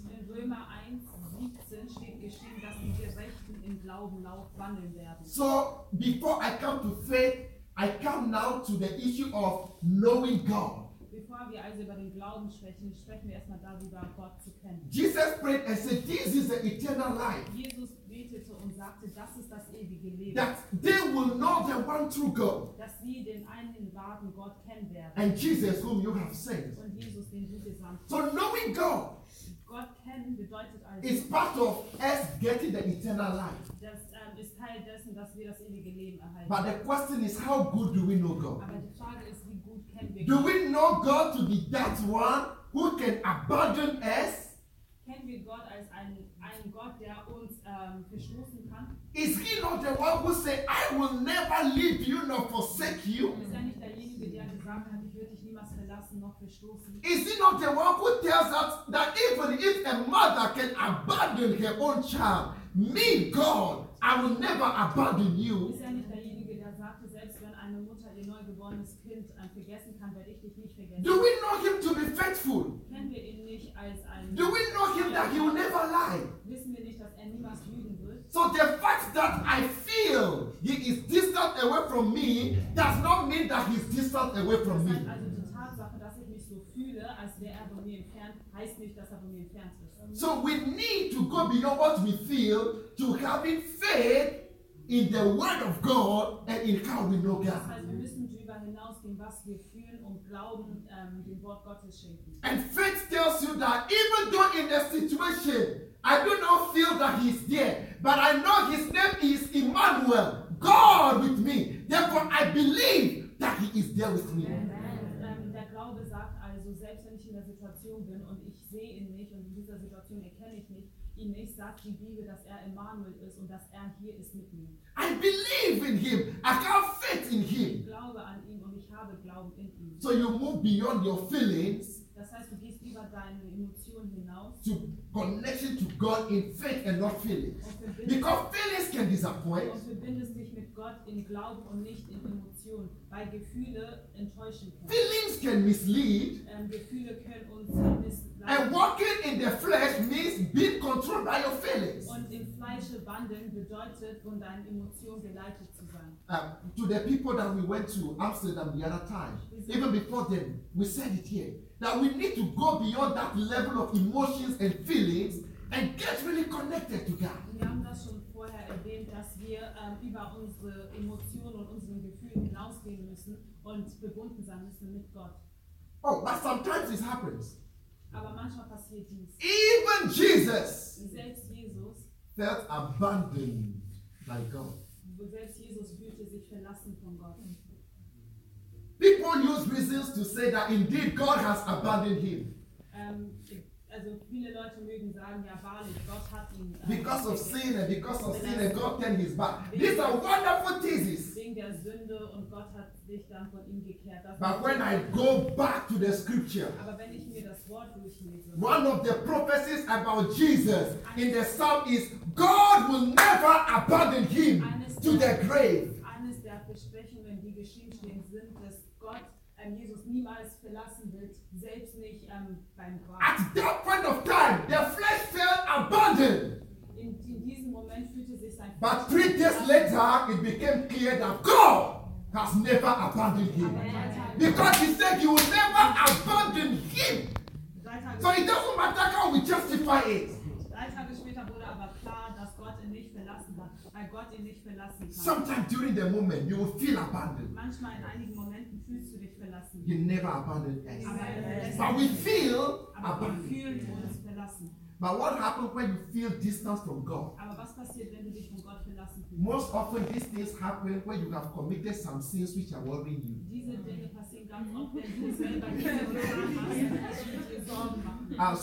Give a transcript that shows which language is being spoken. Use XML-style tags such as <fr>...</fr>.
<de>In Römer 1:17 steht geschrieben, dass die Gerechten im Glauben wandeln werden.</de> <en>So, before I come to faith, I come now to the issue of knowing God.</en> <de>Bevor wir also über den Glauben sprechen, sprechen wir erstmal darüber, Gott zu kennen.</de> <en>Jesus prayed and said, "This is the eternal life."</en> <de>Jesus betete und sagte, das ist das ewige Leben.</de> <en>That they will know the one true God.</en> <de>Dass sie den einen wahren Gott kennen werden.</de> <en>And Jesus, whom you have sent.</en> <de>Und Jesus, den du gesandt hast.</de> <en>So knowing God.</en> <de>Gott kennen bedeutet also.</de> <en>Is part of us getting the eternal life.</en> <de>Das ist Teil dessen, dass wir das ewige Leben erhalten.</de> <en>But the question is, how good do we know God?</en> <de>Aber die Frage ist, wie gut kennen wir Gott?</de> <en>Do we know God to be that one who can abandon us?</en> <de>Kennen wir Gott als einen Gott, der uns verstoßen kann?</de> <en>Is He not the one who said, "I will never leave you nor forsake you"?</en> <de>Ist er nicht derjenige, der gesagt hat, ich werde dich niemals verlassen noch verstoßen?</de> <en>Is He not the one who tells us that even if a mother can abandon her own child, me, God, I will never abandon you?</en> <de>Ist er nicht derjenige, der sagte, selbst wenn eine Mutter ihr neugeborenes Kind vergessen kann, werde ich dich nicht vergessen?</de> <en>Do we know Him to be faithful?</en> <de>Kennen wir ihn nicht als einen?</de> <en>Do we know Him that He will never lie?</en> <de>Wissen wir nicht, dass er niemals lügen wird?</de> <en>So the fact that I feel He is distant away from me does not mean that He is distant away from me.</en> <de>Also die Tatsache, dass ich mich so fühle, als wäre er von mir entfernt, heißt nicht, dass er von mir entfernt ist.</de> <en>So we need to go beyond what we feel to having faith in the Word of God and in how we know God.</en> <de>Also wir müssen darüber hinausgehen, was wir fühlen und glauben, dem Wort Gottes schenken.</de> <en>And faith tells you that even though in a situation I do not feel that He is there, but I know His name is Emmanuel, God with me. Therefore, I believe that He is there with me.</en> <de>Der Glaube sagt also, selbst wenn ich in der Situation bin und ich sehe ihn nicht und in dieser Situation erkenne ich nicht, ihn nicht, sagt die Bibel, dass er Emmanuel ist und dass er hier ist mit mir.</de> <en>I believe in Him. I have faith in Him.</en> <de>Ich glaube an ihn und ich habe Glauben in ihm.</de> <en>So you move beyond your feelings.</en> <de>Das heißt, du gehst über deine Emotionen hinaus.</de> <en>To connection to God in faith and not feelings. Because feelings can disappoint.</en> <de>Und verbindest dich mit Gott in Glauben und nicht in Emotionen, weil Gefühle enttäuschen können.</de> <en>Feelings can mislead.</en> <de>Gefühle können uns missleiten.</de> <en>And walking in the flesh means being controlled by your feelings.</en> <de>Und im Fleisch wandeln bedeutet, von deinen Emotionen geleitet zu sein.</de> <en>To the people that we went to Amsterdam the other time, even before then, we said it here. That we need to go beyond that level of emotions and feelings and get really connected to God.</en> <de>Wir haben das schon vorher erwähnt, dass wir über unsere Emotionen und unseren Gefühlen hinausgehen müssen und verbunden sein müssen mit Gott.</de> <en>Oh, but sometimes this happens.</en> <de>Aber manchmal passiert dies.</de> <en>Even Jesus,</en> <de>selbst Jesus</de> <en>felt abandoned by God.</en> <de>Selbst Jesus fühlte sich verlassen von Gott.</de> <en>People use reasons to say that indeed God has abandoned him.</en> <de>Also viele Leute mögen sagen, ja wahrlich, Gott hat ihn.</de> <en>Because of sin and because of sin and God turned his back. These are wonderful theses.</en> <de>Wegen der Sünde und Gott hat sich dann von ihm gekehrt. Das</de> <en>but when I go back to the scripture.</en> <de>Aber wenn ich mir das Wort durchlese.</de> <en>One of the prophecies about Jesus in the psalm is God will never abandon him to the grave.</en> <de>Eines der dafür sprechen, wenn die geschrieben stehen sind, dass Gott Jesus niemals verlassen wird, selbst nicht beim Grab.</de> <en>At that point of time, the flesh felt abandoned.</en> <de>In diesem Moment fühlte sich sein.</de> <en>But 3 days later, it became clear that God has never abandoned him. Because he said he will never abandon him. So it doesn't matter how we justify it.</en> <de>3 Tage später wurde aber klar, dass Gott ihn nicht verlassen hat, weil Gott ihn nicht verlassen kann.</de> <en>Sometimes during the moment you will feel abandoned.</en> <de>Manchmal in einigen Momenten fühlst du dich verlassen.</de> <en>You never abandon us. But we feel abandoned.</en> <de>Aber wir fühlen uns verlassen.</de> <en>But what happens when you feel distance from God?</en> <de>Aber was passiert, wenn du dich von Gott verlassen fühlst?</de> <en>Most often these things happen when you have committed some sins which are worrying you.</en> <de>Diese Dinge passieren ganz oft, wenn du selber diese Sorgen machst.</de>